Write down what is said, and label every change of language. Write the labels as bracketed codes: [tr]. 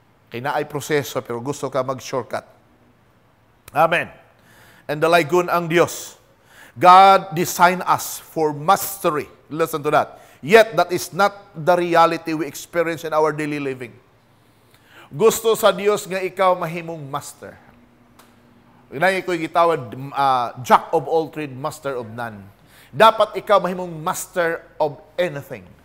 [ceb] Kinaay proseso pero gusto ka mag-shortcut. Amen. [en] And the ligun ang Dios. God designed us for mastery. Listen to that. Yet that is not the reality we experience in our daily living. [ceb] Gusto sa Dios nga ikaw mahimong master. Inay ko gitawad [en] jack of all trade, master of none. [ceb] Dapat ikaw mahimong [en] master of anything.